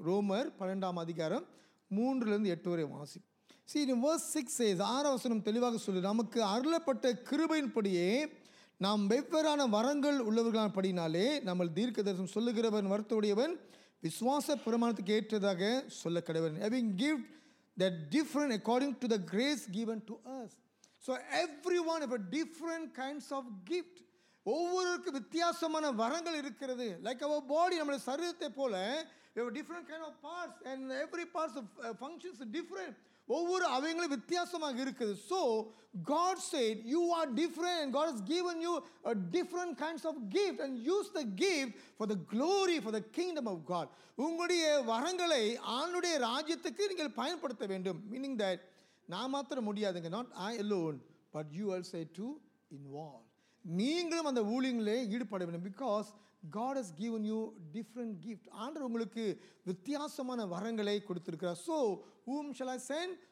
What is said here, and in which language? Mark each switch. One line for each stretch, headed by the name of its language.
Tamil: ரோமர் 12 அதிகாரம் 3-8 வரை வாசி.
English: See, in verse 6 says,
Tamil: 6வது வசனம் தெளிவாக சொல்லு, நமக்கு அருளப்பட்ட கிருபையின்படியே நாம் வெவ்வேறான வரங்கள் உள்ளவர்களான படினாலே நம்ம தீர்க்க தரிசனம் சொல்லுகிறவன் வரத்துடையவன் விசுவாச பிரமாணத்துக்கு ஏற்றதாக சொல்ல கடவன்.
English: Having gift that different according to the grace given to us. So everyone have a different kinds of gift.
Tamil: ஒவ்வொருவருக்கு வித்தியாசமான வரங்கள் இருக்கிறது.
English: Like our body,
Tamil: நம்மளுடைய சரீரத்தை போல,
English: we have a different kind of parts and every parts of functions are different.
Tamil: ஒவ்வொரு அவைங்களும் வித்தியாசமாக இருக்குது.
English: So God said, you are different and God has given you a different kinds of gift and use the gift for the glory, for the kingdom of God.
Tamil: உங்களுடைய வரங்களை ஆண்டவருடைய ராஜ்யத்துக்கு நீங்கள் பயன்படுத்த வேண்டும்.
English: meaning that
Tamil: நான் மாத்திரம் முடியாதுங்க,
English: Not I alone, but you also to involve.
Tamil: நீங்களும் அந்த ஊழியங்களே ஈடுபட வேண்டும்.
English: Because God has given you different gift.
Tamil: ஆண்டவர் உங்களுக்கு வித்தியாசமான வரங்களை கொடுத்திருக்கிறார்.
English: So, whom shall I send?